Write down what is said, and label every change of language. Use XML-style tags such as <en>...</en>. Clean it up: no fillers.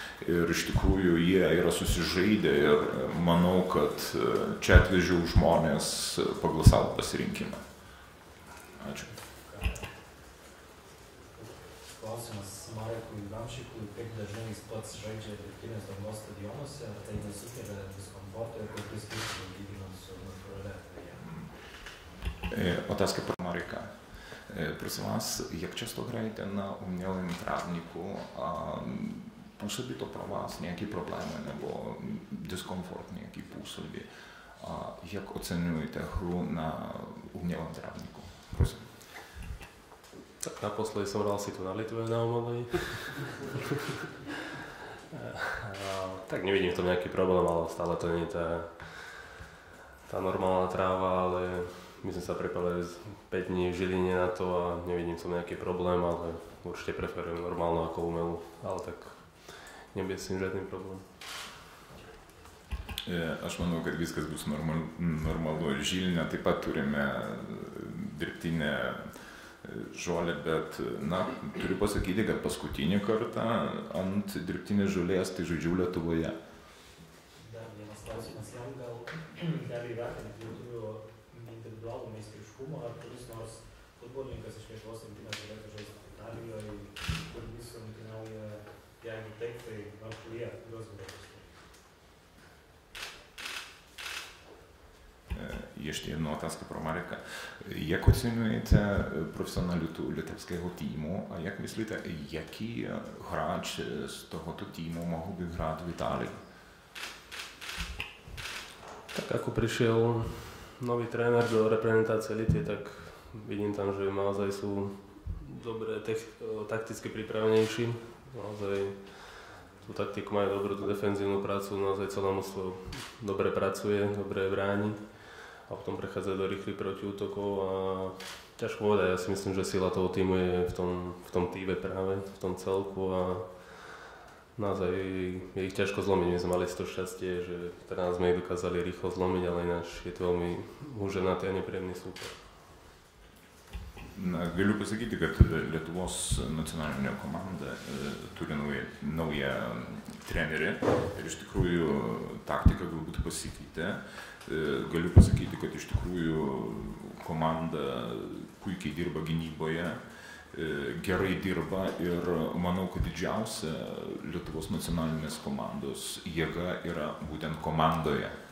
<lt>Ir iš tikrųjų, jie yra susižaidę ir manau, kad čia atvežiau žmonės pagal savo pasirinkimą. Ačiū. klausimas Marekui Ramšikui, kaip dažnai jis pats žaidžia dirbtinės dangos stadionuose, ar tai nesukelia diskomforto ir kokius skirtumus lyginant su natūralia</lt> <cs>erdve? Otázka pro Mareka. Prosím vás, jak často hrajete na umělém trávníku a působí to pro vás nějaký problém nebo diskomfort nějaký působí? A jak oceňujete hru na umělém trávníku? Prosím. Tak naposledy jsem hral si tu na Litvě na umělej. Tak nevidím v tom nějaký problém, ale stále to není ta normální tráva,</cs> <sk>ale my sme sa pripravili 5 dní v Žiline na to a nevidím som nejaký problém, ale určite preferujem normálnu ako umelú, ale tak nebude s tým žiadny problém.</sk> <lt>Aš manau, kad viskas bus normalu Žiline, taip pat turime dirbtinę žolę, bet na, turiu pasakyti, kad paskutinį kartą ant dirbtinės žolės tai žaidžiau Lietuvoje. Dar vienas klausimas jam, gal dar įvertinti Lietuvių individualų meistriškumą, ar kuris nors futbolininkas iš Lietuvos rinktinės galėtų žaisti Italijoje, kur jis rinktinauja, jeigu taip, tai nors kurie juos galėtų žaisti.</lt> <cs>Ještě jednu otázku pro Mareka. Jak oceňujete profesionalitu litevského týmu a jak myslíte, jaký hráč z tohoto týmu mohl by hrát v Itálii? Tak jako přišel nový trenér do reprezentace Litvy, tak vidím tam, že naozaj jsou dobré takticky připravenější. Naozaj tu taktiku mají dobrou, tu defenzivní prácu, naozaj celé mužstvo dobře pracuje, dobře brání.</cs> <sk>A potom prechádza do rýchlych protiútokov a ťažko povedať, ja si myslím, že sila toho týmu je v tom týbe práve, v tom celku a naozaj je ich ťažko zlomiť. My sme mali to šťastie, že teraz sme ich dokázali rýchlo zlomiť, ale ináč je to veľmi húženatý a nepríjemný súper.</sk> <lt>Na, galiu pasakyti, kad Lietuvos nacionalinė komanda turi naują trenerį ir iš tikrųjų taktika galbūt pasikeitė. Galiu pasakyti, kad iš tikrųjų komanda puikiai dirba gynyboje, gerai dirba ir manau, kad didžiausia Lietuvos nacionalinės komandos jėga yra būtent komandoje.</lt>